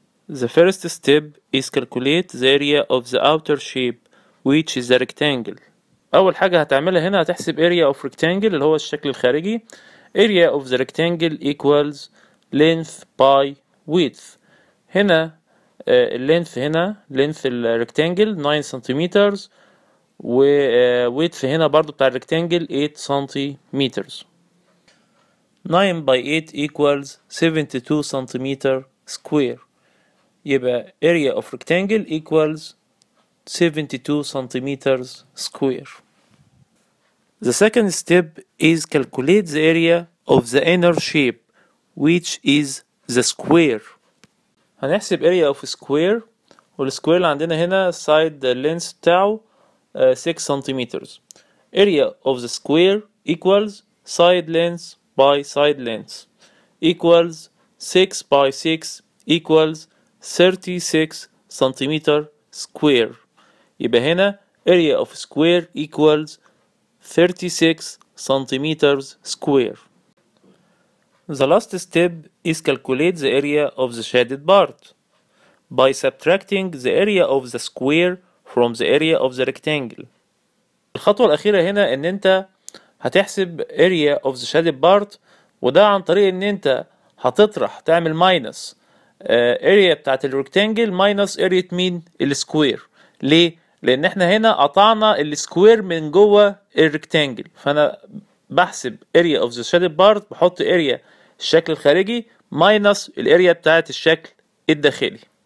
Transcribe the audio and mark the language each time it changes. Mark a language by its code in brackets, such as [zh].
[en] The first step is calculate the area of the outer shape which is the rectangle. [ar] اول حاجة هتعملها هنا هتحسب area of rectangle اللي هو الشكل الخارجي. [en] area of the rectangle equals length by width. [ar] هنا length، هنا length الريكتانجل 9 centimeters و width هنا برضو بتاع الريكتانجل 8 سنتيمترز. [en] 9 by 8 equals 72 centimeter square. يبقى area of rectangle equals 72 centimeters square. The second step is calculate the area of the inner shape which is the square. [ar] هنحسب area of square، والسكوير اللي عندنا هنا side the length بتاعه 6 centimeters. [en] area of the square equals side length by side length equals 6 by 6 equals 36 centimeter square. يبقى هنا area of square equals 36 centimeters square. The last step is calculate the area of the shaded part by subtracting the area of the square from the area of the rectangle. [ar] الخطوة الأخيرة هنا إن أنت هتحسب area of the shaded part، وده عن طريق إن أنت هتطرح تعمل minus area بتاعت ال rectangle minus area مين؟ ال square. ليه؟ لأن إحنا هنا قطعنا ال square من جوه ال rectangle، فأنا بحسب area of the shaded part، بحط area الشكل الخارجي minus ال area بتاعت الشكل الداخلي.